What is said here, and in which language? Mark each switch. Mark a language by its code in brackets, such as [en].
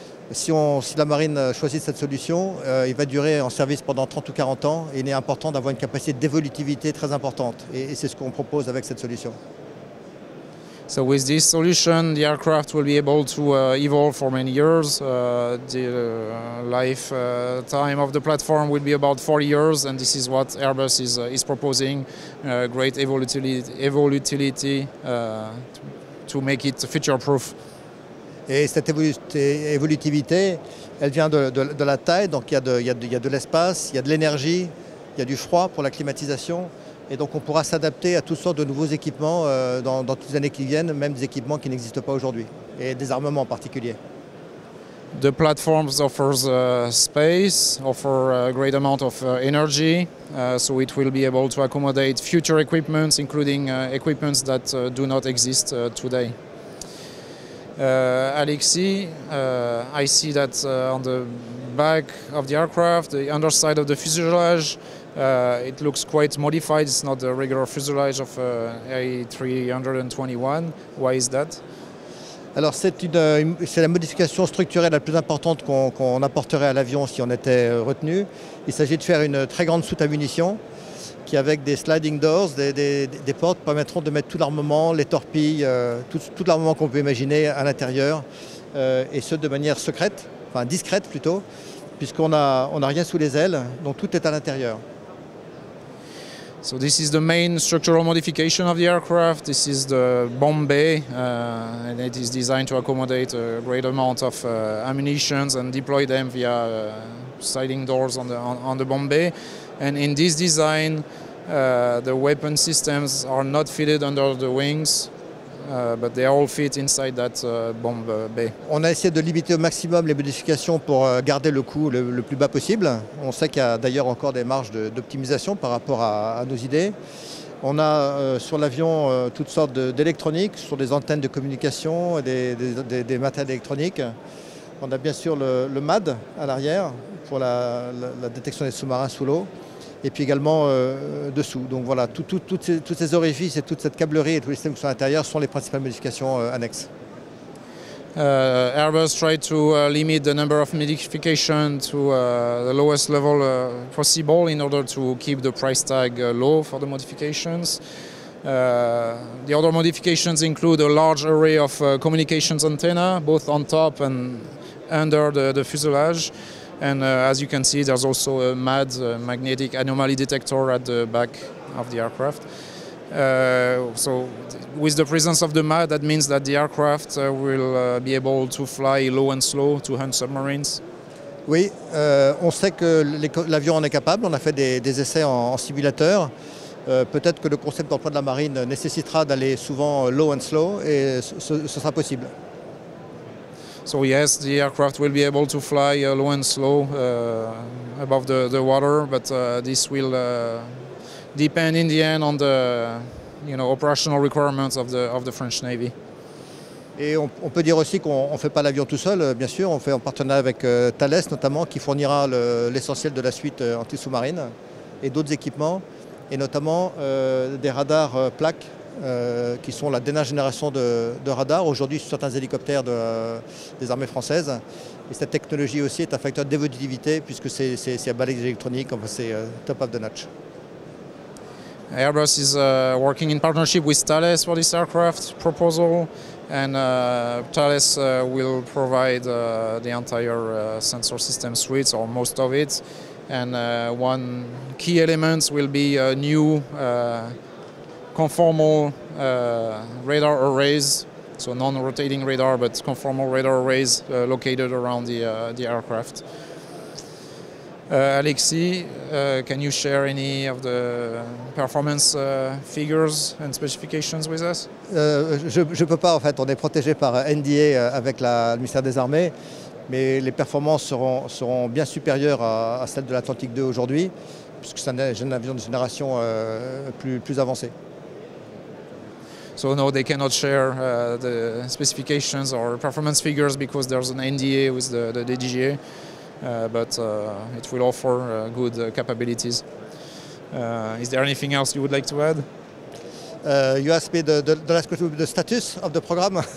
[fr] Si la marine choisit cette solution, il va durer en service pendant 30 ou 40 ans, et il est important d'avoir une capacité d'évolutivité très importante, et c'est ce qu'on propose avec cette solution. [en] So with this solution, the aircraft will be able to evolve for many years. The lifetime of the platform will be about 40 years, and this is what Airbus is proposing, great evolutivity to make it future-proof. [fr] Et cette évolutivité, elle vient de la taille, donc il y a de l'espace, il y a de l'énergie, il y a du froid pour la climatisation. Et donc on pourra s'adapter à toutes sortes de nouveaux équipements dans toutes les années qui viennent, même des équipements qui n'existent pas aujourd'hui, et des armements en particulier. [en] The platform offers space, offer a great amount of energy, so it will be able to accommodate future equipments, including equipments that do not exist today. Alexis, I see that on the back of the aircraft, the underside of the fuselage, it looks quite modified. It's not the regular fuselage of A321. Why is that? [fr] Alors c'est la modification structurelle la plus importante qu'on apporterait à l'avion si on était retenu. Il s'agit de faire une très grande soute à munitions qui, avec des sliding doors, des portes, permettront de mettre tout l'armement, les torpilles, tout l'armement qu'on peut imaginer à l'intérieur, et ce de manière secrète, enfin discrète plutôt, puisqu'on a rien sous les ailes, donc tout est à l'intérieur. [en] So this is the main structural modification of the aircraft. This is the bomb bay, and it is designed to accommodate a great amount of ammunition and deploy them via sliding doors on the bomb bay. And in this design, the weapon systems are not fitted under the wings, but they all fit inside that bomb bay. [fr] On a essayé de limiter au maximum les modifications pour garder le coût le plus bas possible. On sait qu'il y a d'ailleurs encore des marges d'optimisation par rapport à nos idées. On a sur l'avion toutes sortes d'électroniques, sur des antennes de communication et des matériels électroniques. On a bien sûr le MAD à l'arrière pour la détection des sous-marins sous l'eau. Et puis également dessous. Donc voilà, tous ces orifices et toute cette câblerie et tous les systèmes qui sont à l'intérieur sont les principales modifications annexes. [en] Airbus tried to limit the number of modifications to the lowest level possible in order to keep the price tag low for the modifications. The other modifications include a large array of communications antenna, both on top and under the fuselage. And as you can see, there's also a MAD, magnetic anomaly detector, at the back of the aircraft. So with the presence of the MAD, that means that the aircraft will be able to fly low and slow to hunt submarines. [fr] Oui, on sait que l'avion en est capable, on a fait des essais en simulateur. Peut-être que le concept d'emploi de la marine nécessitera d'aller souvent [en] low and slow, [fr] et ce sera possible. [en] So yes, the aircraft will be able to fly low and slow above the water, but this will depend in the end on the, you know, operational requirements of the French Navy. [fr] Et on peut dire aussi qu'on ne fait pas l'avion tout seul, bien sûr, on fait en partenariat avec Thales notamment, qui fournira l'essentiel de la suite anti-sous-marine et d'autres équipements, et notamment des radars plaques, qui sont la dernière génération de radars, aujourd'hui sur certains hélicoptères des armées françaises. Et cette technologie aussi est un facteur d'évolutivité, puisque c'est à balise électronique, enfin, c'est [en] top of the notch. Airbus is working in partnership with Thales for this aircraft proposal, and Thales will provide the entire sensor system suite, or most of it. And one key element will be a new conformal radar arrays, so non-rotating radar, but conformal radar arrays located around the aircraft. Alexis, can you share any of the performance figures and specifications with us? [fr] Je ne peux pas, en fait. On est protégé par NDA avec le ministère des Armées, mais les performances seront bien supérieures à celles de l'Atlantique 2 aujourd'hui, puisque c'est un avion de génération plus avancée. [en] So no, they cannot share the specifications or performance figures because there's an NDA with the DGA. But it will offer good capabilities. Is there anything else you would like to add? You asked me the last question, the status of the program.